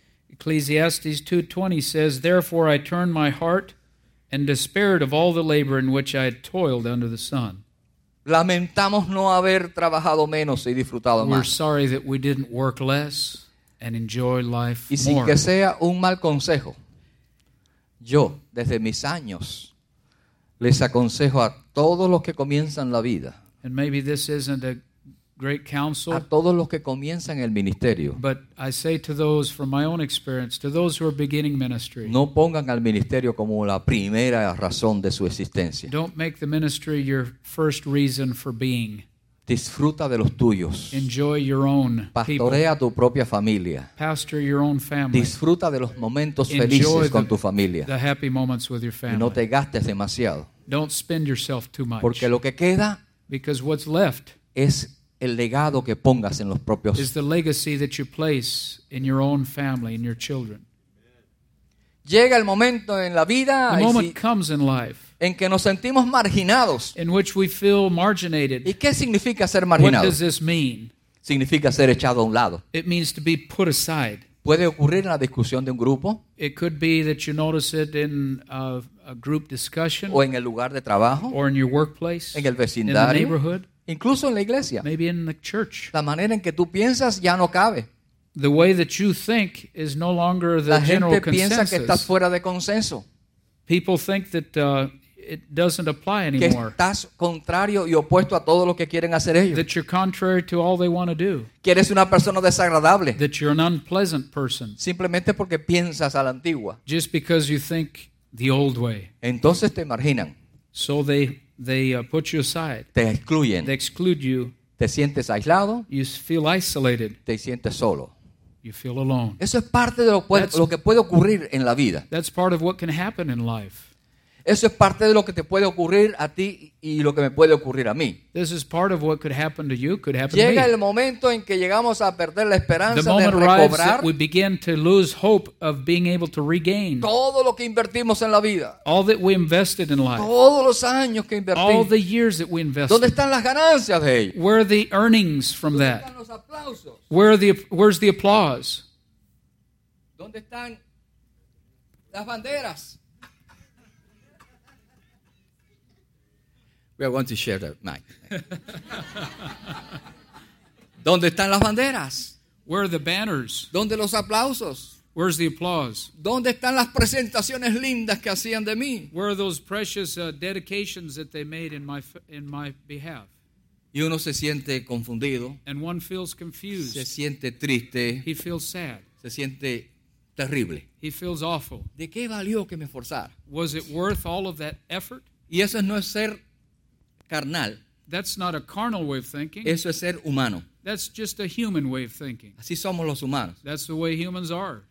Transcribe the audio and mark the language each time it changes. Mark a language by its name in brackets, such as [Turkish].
[English] Ecclesiastes 2:20 says, therefore I turned my heart and despaired of all the labor in which I had toiled under the sun. [Spanish] Lamentamos no haber trabajado menos y disfrutado más. [English] We're sorry that we didn't work less and enjoy life more. [Spanish] Y sin que sea un mal consejo, yo desde mis años les aconsejo a todos los que comienzan la vida. [English] And maybe this isn't a great counsel. [Spanish] A todos los que comienzan el ministerio. [English] But I say to those from my own experience, to those who are beginning ministry. [Spanish] No pongan al ministerio como la primera razón de su existencia. [English] Don't make the ministry your first reason for being. [Spanish] Disfruta de los tuyos. [English] Enjoy your own. [Spanish] Pastorea [English] people. [Spanish] Tu propia familia. [English] Pastor your own family. [Spanish] Disfruta de los momentos [English] enjoy [Spanish] felices [English] the, [Spanish] con tu familia. [English] The happy moments with your family. [Spanish] Y no te gastes demasiado. [English] Don't spend yourself too much. [Spanish] Porque lo que queda, [English] because what's left, [Spanish] es el legado que pongas en los propios. [English] Is the legacy that you place in your own family, in your children. [Spanish] Llega el momento en la vida, [English] the moment comes in life, [Spanish] en que nos sentimos marginados. [English] In which we feel marginated. [Spanish] ¿Y qué significa ser marginado? [English] What does this mean? [Spanish] Significa ser echado a un lado. [English] It means to be put aside. [Spanish] Puede ocurrir en la discusión de un grupo. [English] It could be that you notice it in a group discussion. [Spanish] O en el lugar de trabajo. [English] Or in your workplace. [Spanish] En el vecindario. [English] In the neighborhood. [Spanish] Incluso en la iglesia. [English] Maybe in the church. [Spanish] La manera en que tú piensas ya no cabe. [English] The way that you think is no longer the general consensus. [Spanish] La gente piensa que estás fuera de consenso. [English] People think that it doesn't apply anymore. [Spanish] Que estás contrario y opuesto a todo lo que quieren hacer ellos. [English] That you're contrary to all they want to do. [Spanish] Que eres una persona desagradable. [English] That you're an unpleasant person. [Spanish] Simplemente porque piensas a la antigua. [English] Just because you think the old way. [Spanish] Entonces te marginan. [English] So they put you aside. [Spanish] Te excluyen. [English] They exclude you. [Spanish] Te sientes aislado. [English] You feel isolated. [Spanish] Te sientes solo. [English] You feel alone. [Spanish] Eso es parte de lo que puede ocurrir en la vida. [English] That's part of what can happen in life. [Spanish] Eso es parte de lo que te puede ocurrir a ti y lo que me puede ocurrir a mí. [English] This is part of what could happen to you, could happen [Spanish] llega [English] to me. [Spanish] El momento en que llegamos a perder la esperanza de recobrar. [English] The moment arrives that we begin to lose hope of being able to regain. [Spanish] Todo lo que invertimos en la vida. [English] All that we invested in life. [Spanish] Todos los años que invertimos. [English] All the years that we invested. [Spanish] ¿Dónde están las ganancias de ellos? [English] Where are the earnings from that? [Spanish] ¿Dónde están los aplausos? [English] Where's the applause? [Spanish] ¿Dónde están las banderas? [English] We are going to share the mic. [Spanish] ¿Dónde están las banderas? [English] Where are the banners? [Spanish] ¿Dónde los aplausos? [English] Where's the applause? [Spanish] ¿Dónde están las presentaciones lindas que hacían de mí? [English] Where are those precious dedications that they made in my behalf? [Spanish] Y uno se siente confundido. [English] And one feels confused. [Spanish] Se siente triste. [English] He feels sad. [Spanish] Se siente terrible. [English] He feels awful. [Spanish] ¿De qué valió que me forzara? [English] Was it worth all of that effort? [Spanish] Y eso no es ser carnal. [English] That's not a carnal way of thinking. [Spanish] Eso es ser humano. [English] That's just a human way of thinking. [Spanish] Así somos los humanos. [English] That's the way humans are.